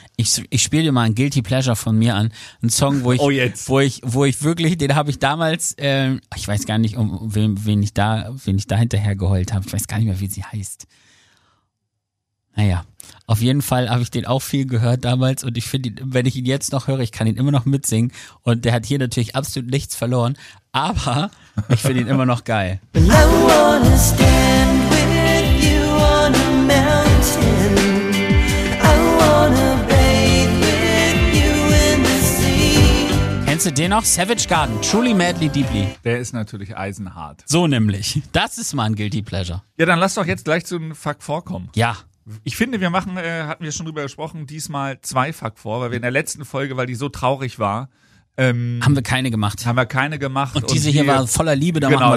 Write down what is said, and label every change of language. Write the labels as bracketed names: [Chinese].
[German] Ich spiele dir mal ein Guilty Pleasure von mir an. Ein Song, wo ich wirklich, den habe ich damals, ich weiß gar nicht, wen ich da hinterher geheult habe. Ich weiß gar nicht mehr, wie sie heißt. Naja, auf jeden Fall habe ich den auch viel gehört damals und ich finde, wenn ich ihn jetzt noch höre, ich kann ihn immer noch mitsingen und der hat hier natürlich absolut nichts verloren, aber ich finde ihn immer noch geil. [English] I wanna stand with you on a mountain. I wanna bathe with you in the sea. [German] Kennst du den noch? [English] Savage Garden, Truly Madly Deeply. [German] Der ist natürlich eisenhart. So nämlich. Das ist mal ein Guilty Pleasure. Ja, dann lass doch jetzt gleich zu einem Fuck vorkommen. Ja. Ich finde, wir machen, hatten wir schon drüber gesprochen, diesmal zwei Fuck vor, weil wir in der letzten Folge, weil die so traurig war, haben wir keine gemacht. Haben wir keine gemacht. Und diese hier war voller Liebe, da genau, machen wir